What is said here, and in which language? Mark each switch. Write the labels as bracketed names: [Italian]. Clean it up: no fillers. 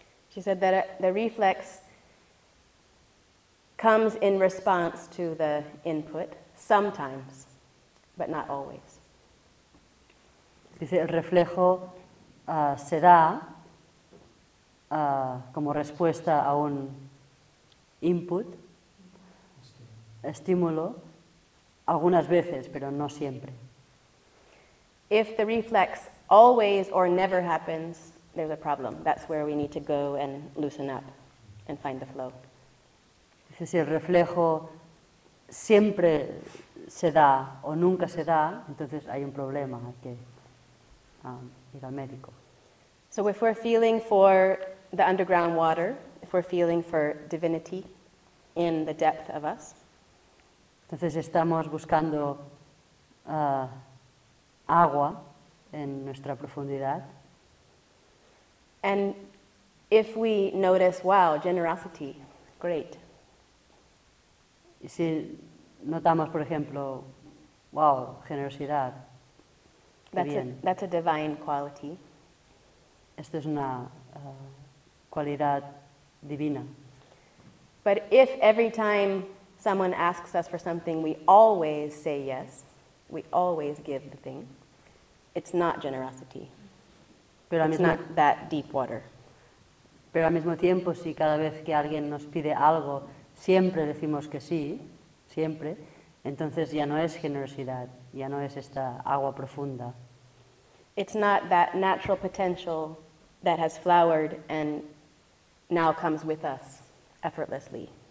[English] She said that the reflex comes in response to the input sometimes, but not always. [Spanish] Dice, el reflejo se da como respuesta a un input, estímulo, algunas veces, pero no siempre. [English] If the reflex always or never happens, there's a problem. That's where we need to go and loosen up and find the flow. [Spanish] Dice, si el reflejo siempre se da o nunca se da, entonces hay un problema, hay que ir al médico. [English] So if we're feeling for the underground water, if we're feeling for divinity in the depth of us. [Spanish] Entonces estamos buscando agua en nuestra profundidad. [English] And if we notice, wow, generosity, great. [Spanish] Y si notamos, por ejemplo, wow, generosidad, [English] that's a divine quality. [Spanish] Esto es una cualidad divina. [English] But if every time someone asks us for something, we always say yes, we always give the thing, it's not generosity. [Spanish] Pero [English] it's not that deep water. [Spanish] Pero al mismo tiempo, si cada vez que alguien nos pide algo, siempre decimos que sí, siempre, entonces ya no es generosidad, ya no es esta agua profunda. [English] It's not that natural potential that has flowered and now comes with us effortlessly.